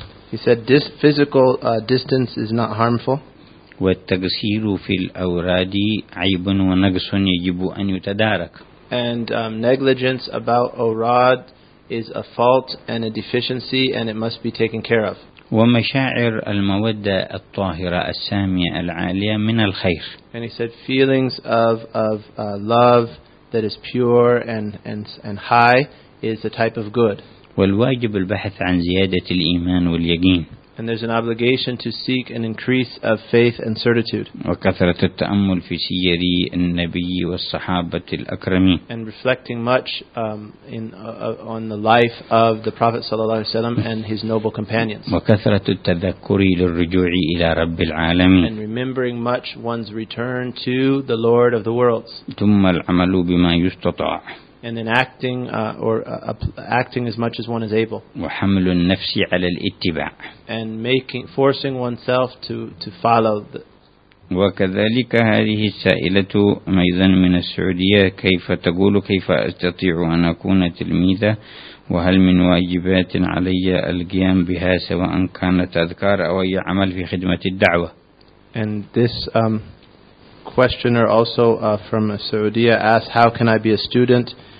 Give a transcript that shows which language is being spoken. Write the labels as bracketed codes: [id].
[en] He said this physical distance is not harmful. [ar] والتقصير في الأوراد عيب ونقص يجب أن يتدارك. [en] And negligence about awrad is a fault and a deficiency, and it must be taken care of. [ar] ومشاعر المودة الطاهرة السامية العالية من الخير. [en] And he said feelings of love that is pure and high is a type of good. [ar] والواجب البحث عن زيادة الإيمان واليقين. [en] And there's an obligation to seek an increase of faith and certitude. [ar] وكثرة التأمل في سير النبي والصحابة الأكرمين. [en] And reflecting much on the life of the Prophet [ar] صلى الله عليه وسلم [en] and his noble companions. [ar] وكثرة التذكر للرجوع إلى رب العالمين. [en] And remembering much one's return to the Lord of the worlds. [ar] ثم العمل بما يستطاع. [en] And then acting acting as much as one is able. [ar] وحمل النفس على الاتباع. [en] And forcing oneself to follow. [ar] وكذلك هذه السائلة أيضا من السعودية كيف تقول كيف أستطيع أن أكون تلميذة وهل من واجبات علي القيام بها سواء كانت أذكار أو أي عمل في خدمة الدعوة. [en] And this questioner also from Saudi asked, how can I be a student?